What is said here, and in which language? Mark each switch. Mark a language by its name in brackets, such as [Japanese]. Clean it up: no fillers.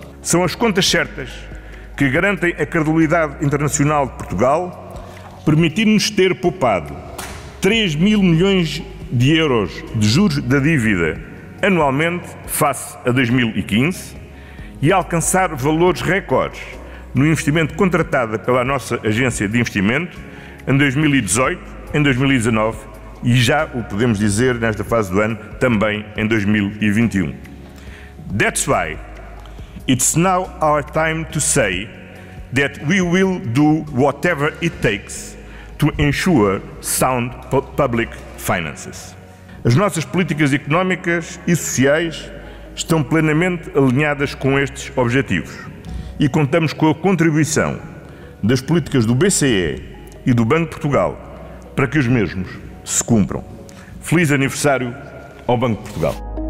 [Portuguese] São as contas certas que garantem a credibilidade internacional de Portugal, permitindo-nos ter poupado 3 mil milhões de euros de juros da dívida anualmente face a 2015 e alcançar valores recordes no investimento contratado pela nossa agência de investimento em 2018, em 2019 e já o podemos dizer nesta fase do ano também em 2021. [English] That's why it's now our time to say that we will do whatever it takes to ensure sound public finances. [Portuguese] As nossas políticas económicas e sociais estão plenamente alinhadas com estes objetivos e contamos com a contribuição das políticas do BCE e do Banco de Portugal para que os mesmos se cumpram. Feliz aniversário ao Banco de Portugal.